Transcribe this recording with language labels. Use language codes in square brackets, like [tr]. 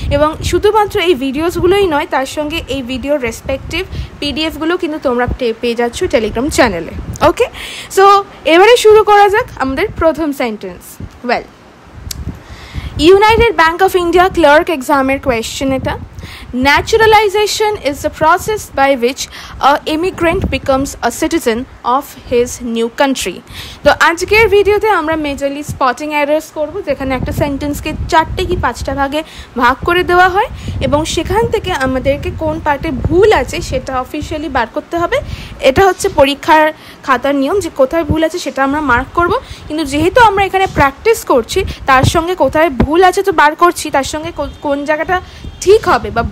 [bn] এবং শুধুমাত্র এই ভিডিওসগুলোই নয়, তার সঙ্গে এই ভিডিওর রেসপেক্টিভ PDFগুলো কিন্তু তোমরা পেয়ে যাচ্ছ টেলিগ্রাম চ্যানেলে। ওকে, সো এবারে শুরু করা যাক আমাদের প্রথম sentence. Well, United bank of India clerk এক্সামের কোয়েশ্চেন এটা। [en] Naturalization is the process by which a immigrant becomes a citizen of his new country. [bn] তো আজকের ভিডিওতে আমরা মেজরলি স্পটিং এরার্স করবো, যেখানে একটা সেন্টেন্সকে 4টে কি 5টা ভাগে ভাগ করে দেওয়া হয় এবং সেখান থেকে আমাদেরকে কোন পার্টে ভুল আছে সেটা অফিসিয়ালি বার করতে হবে। এটা হচ্ছে পরীক্ষার খাতার নিয়ম যে কোথায় ভুল আছে সেটা আমরা মার্ক করবো, কিন্তু যেহেতু আমরা এখানে প্র্যাকটিস করছি তার সঙ্গে কোথায় ভুল আছে তো বার করছি, তার সঙ্গে কোন জায়গাটা ঠিক হবে বা